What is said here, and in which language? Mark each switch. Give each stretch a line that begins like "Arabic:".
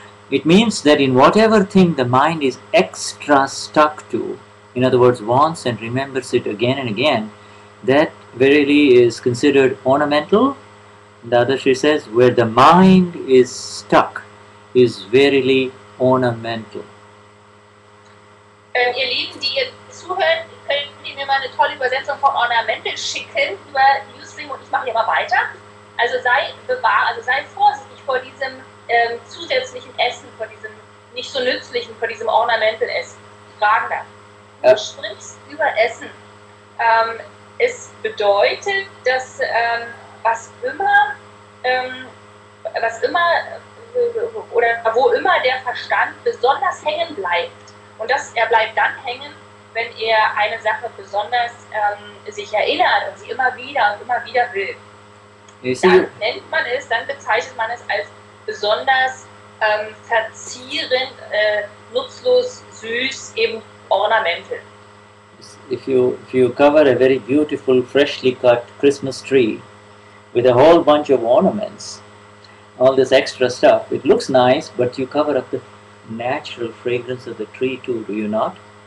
English: It means that in whatever thing the mind is extra stuck to, in other words, wants and remembers it again and again, that verily is considered ornamental. Dadashri says, where the mind is stuck is verily ornamental.
German: Ihr Lieben, die jetzt zuhören, könnt ihr mir mal eine tolle Übersetzung von ornamental schicken über Newsring und ich mache hier mal weiter. Also sei vorsichtig vor diesem zusätzlichen Essen, vor diesem nicht so nützlichen, vor diesem ornamental Essen. Fragen da. Du sprichst über Essen. Es bedeutet, dass wo immer der Verstand besonders hängen bleibt. Und dass er bleibt dann hängen, wenn er eine Sache besonders sich erinnert und sie immer wieder will. Dann bezeichnet man es als besonders verzierend, nutzlos, süß, eben ornamental.
English: If you cover a very beautiful, freshly cut Christmas tree with a whole bunch of ornaments, all this extra stuff, it looks nice, but you cover up the natural fragrance of the tree too, do you not?